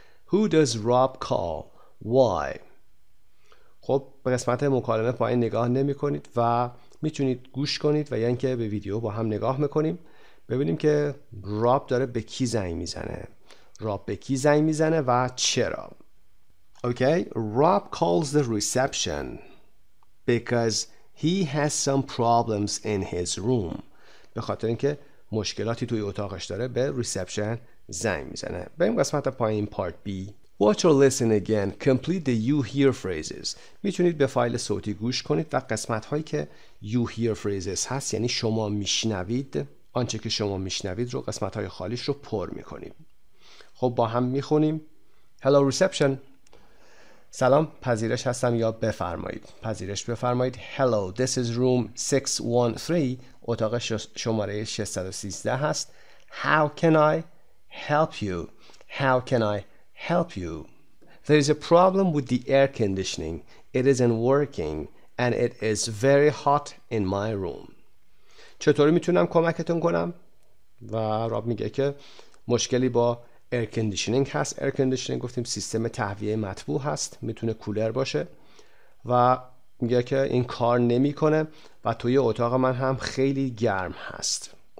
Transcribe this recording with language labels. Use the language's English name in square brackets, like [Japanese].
[English] Who does Rob call? Why? [Persian] خب به قسمت مکالمه پایین نگاه نمی کنید و میتونید گوش کنید و یعنی که به ویدیو با هم نگاه میکنیم ببینیم که راب داره به کی زنگ میزنه، راب به کی زنگ میزنه و چرا. [English] Okay, Rob calls the reception because he has some problems in his room. [Persian] به خاطر اینکه مشکلاتی توی اتاقش داره به reception زنگ میزنه. بریم قسمت پایین [English] part B. Watch or listen again. Complete the you hear phrases. [Persian] میتونید به فایل صوتی گوش کنید و قسمت هایی که [English] you hear phrases [Persian] هست، یعنی شما میشنوید، آنچه که شما میشنوید رو، قسمت های خالیش رو پر میکنید. خب با هم میخونیم. [English] Hello reception. [Persian] سلام، پذیرش هستم یا بفرمایید. پذیرش بفرمایید. [English] Hello, this is room 613. [Persian] اتاق شماره 613 هست. [English] How can I help you? How can I help you? There is a problem with the air conditioning. It isn't working and it is very hot in my room. [Persian] چطوری میتونم کمکتون کنم؟ و راب میگه که مشکلی با air conditioning هست. Air conditioning گفتیم سیستم تهویه مطبوع هست، میتونه کولر باشه، و میگه که این کار نمی کنه و توی اتاق من هم خیلی گرم هست.